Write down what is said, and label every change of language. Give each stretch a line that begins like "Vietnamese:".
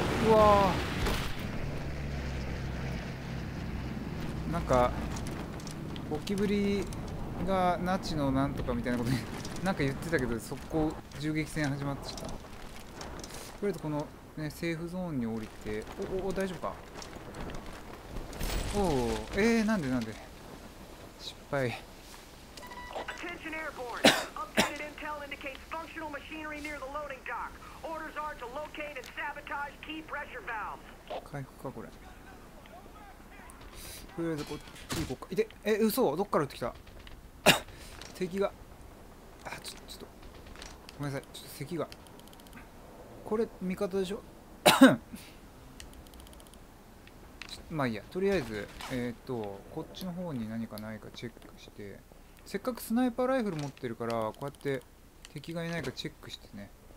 Japanese: うわー、なんかゴキブリがナチのなんとかみたいなことになんか言ってたけど、速攻銃撃戦始まってきた。とりあえずこの、ね、セーフゾーンに降りて、おお大丈夫か。おお、なんでなんで失敗。
English: Attention Airborne. Updated intel indicates functional machinery near the loading dock. Orders are to locate and sabotage key pressure valves.
Japanese: 回復かこれ。とりあえずこっち行こうか。いて、嘘、どっから撃ってきた。敵が、あ、ちょっとごめんなさい。ちょっと敵が、これ味方でしょ。まあいいや、とりあえずこっちの方に何かないかチェックして、せっかくスナイパーライフル持ってるからこうやって敵がいないかチェックしてね。